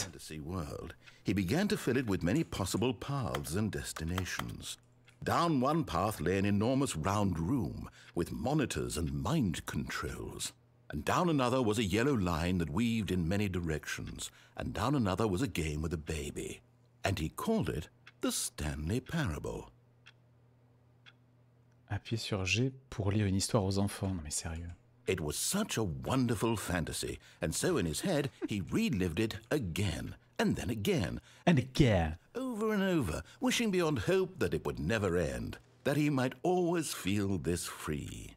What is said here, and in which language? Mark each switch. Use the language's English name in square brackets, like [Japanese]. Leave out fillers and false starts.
[English] Fantasy world, he began to fill it with many possible paths and destinations. Down one path lay an enormous round room with monitors and mind controls. And down another was a yellow line that weaved in many directions. And down another was a game with a baby. And he called it the Stanley Parable. [French] Appuyez sur G pour lire une histoire aux enfants. Non mais sérieux. [English] It was such a wonderful fantasy, and so in his head, he relived it again, and then again. And again. Over and over, wishing beyond hope that it would never end, that he might always feel this free.